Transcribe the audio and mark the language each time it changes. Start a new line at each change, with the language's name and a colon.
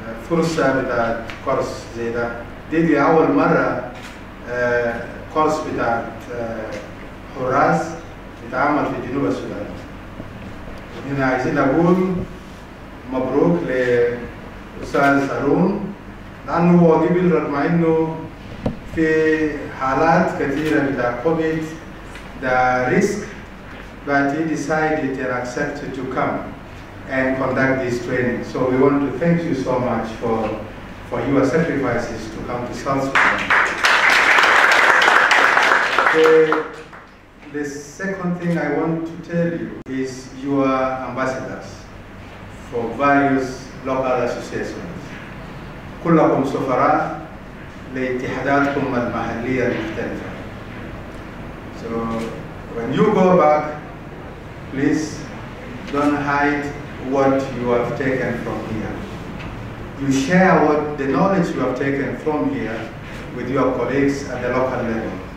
Arabic: فرصة بتاع كورس زي ده دي أول مرة كورس بتاع حراس بتعمل في جنوب السودان هنا عايزين أقول مبروك لأستاذ هارون لأنه هو قبل رغم إنه في حالات كثيرة بتاع كوفيد ده ريسك
English: but he decided and accepted to come and conduct this training. So we want to thank you so much for your sacrifices to come to South Sudan. The second thing I want to tell you is your ambassadors. from various local associations.
Arabic: كلكم سفراء لاتحاداتكم المحلية المختلفة.
English: So when you go back, please don't hide what you have taken from here. You share what the knowledge you have taken from here with your colleagues at the local level.